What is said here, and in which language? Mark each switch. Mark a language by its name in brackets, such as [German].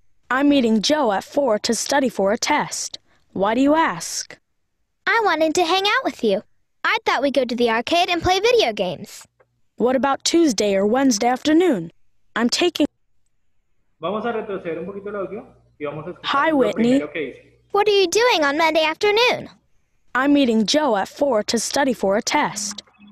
[English] I'm meeting Joe at 4 to study for a test. Why do you ask? I wanted to hang out with you. I thought we'd go to the arcade and play video games. What about Tuesday or Wednesday afternoon? I'm taking... [Spanish] Vamos a retroceder un poquito el audio y vamos a escuchar. [English] Hi, Whitney. What are you doing on Monday afternoon? I'm meeting Joe at 4 to study for a test.